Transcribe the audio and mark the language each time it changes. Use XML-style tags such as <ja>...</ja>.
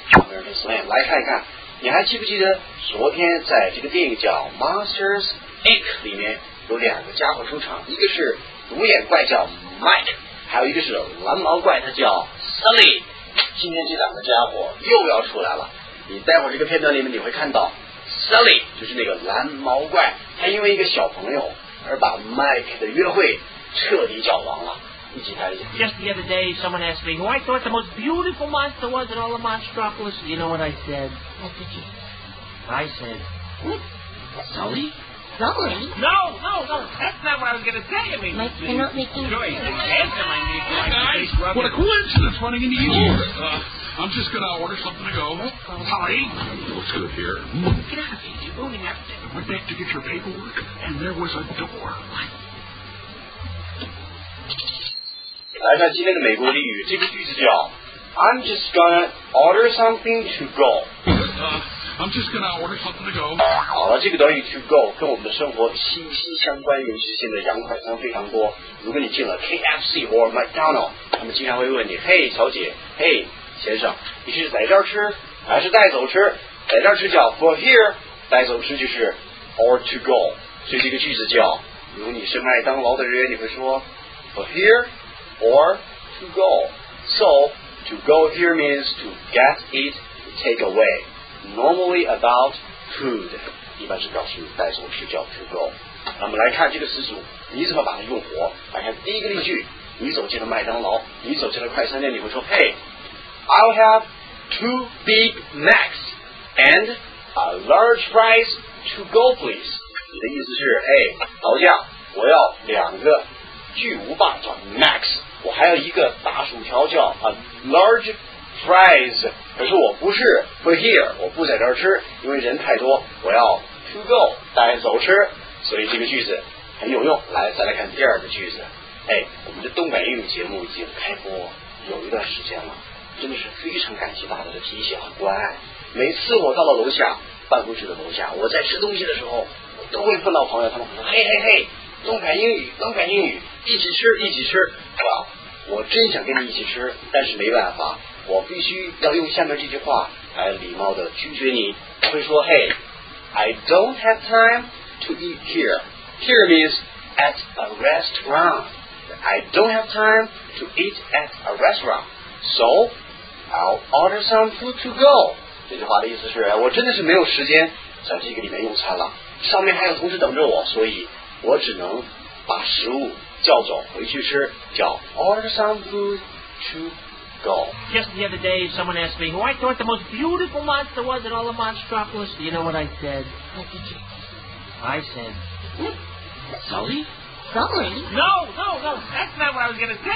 <zh>？American Slam， 来看一看，你还记不记得昨天在这个电影叫《Monsters Inc.》里面有两个家伙出场，一个是独眼怪叫 Mike， 还有一个是蓝毛怪，他叫 Sully。今天这两个家伙又要出来了，你待会儿这个片段里面你会看到 Sully， 就是那个蓝毛怪，他因为一个小朋友。而把 Mike 的约会彻底搅黄了，一起看一下。</zh> <en>Just the other day, someone asked me who I thought the most beautiful monster was in all the Monstropolis. You know what I said? What did you? I said, what? Sully? Sully? No, that's not what I was going to say. I mean, Mike, you're not making sense. Hey guys, what a coincidence running into you. I'm just going to order something to go. Sully? What's good here? Get out of here, you're booming out there. I went back to get your paperwork, and there was a door. What?</en> <zh>来看今天的美国俚语，这个句子叫</zh> <en>I'm just gonna order something to go. I'm just gonna order something to go.</en> <zh>好了，这个短语 to go 跟我们的生活息息相关，尤其是现在羊快餐非常多。如果你进了 KFC or McDonald's， 他们经常会问你：嘿，小姐，嘿，先生，你是在这儿吃还是带走吃？在这儿吃叫 for here， 带走吃就是 or to go。所以这个句子叫：如果你是麦当劳的人，你会说 for here。</zh> <en>Or to go. So, to go here means to get it, take away. Normally about food.</en> <zh>一般是告诉你带走吃叫 to go. 那我们来看这个词组，你怎么把它用活？来看第一个例句，你走进了麦当劳，你走进了快餐店，你会说</zh> <en>Hey, I'll have two Big Macs and a large fries to go, please.</en> <zh>你的意思是 Hey, 老将，我要两个巨无霸叫 Max， 我还有一个大薯条叫 a large fries， 可是我不是 for here， 我不在这儿吃，因为人太多，我要 to go 带走吃，所以这个句子很有用。来，再来看第二个句子。哎，我们的东北英语节目已经开播有一段时间了，真的是非常感谢大家的提携和关爱。每次我到了楼下办公室的楼下，我在吃东西的时候，我都会碰到朋友，他们会说嘿嘿嘿。东北英语，东北英语，一起吃，一起吃。Well, 我真想跟你一起吃，但是没办法，我必须要用下面这句话来礼貌的拒绝你。会说</zh> <en>，Hey, I don't have time to eat here. Here means at a restaurant. I don't have time to eat at a restaurant. So, I'll order some food to go.</en> <zh>这句话的意思是，我真的是没有时间在这个里面用餐了，上面还有同事等着我，所以。我只能把食物叫走回去吃，叫</zh> <en>order some food to go. Just the other day, someone asked me who I thought the most beautiful monster was in all the Monstropolis. You know what I said? What did you say? I said, what? Sully? Sully? No, that's not what I was going to say.</en>